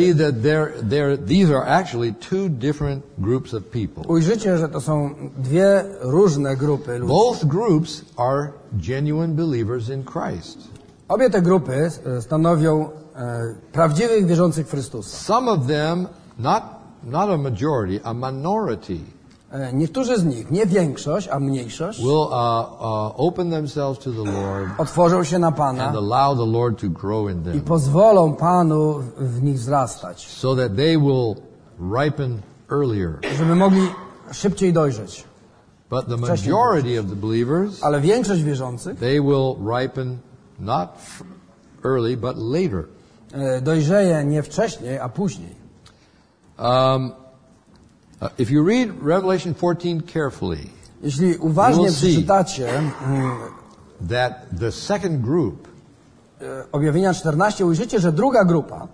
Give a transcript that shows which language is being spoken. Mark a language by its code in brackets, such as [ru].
[en] you'll see that these are actually two different groups of people. [pl] Ujrzycie, że to są dwie różne grupy ludzi. [en] Both groups are genuine believers in Christ. [pl] Obie te grupy stanowią prawdziwych wierzących w Chrystusa. [en] Some of them not a majority, a minority. [pl] Niektórzy z nich, nie większość, a mniejszość, [en] will open themselves to the Lord, [pl] otworzą się na Pana, [en] and allow the Lord to grow in them, [pl] i pozwolą Panu w nich wzrastać, [en] so that they will ripen earlier, [pl] żeby mogli szybciej dojrzeć. [en] But the majority of the believers, [pl] ale większość wierzących, [en] they will ripen not early, but later. [pl] Dojrzeje nie wcześniej, a później. [en] If you read Revelation 14 carefully, [pl] jeśli uważnie przeczytacie, [en] that the second group, [pl] objawienia 14, ujrzycie, że druga grupa,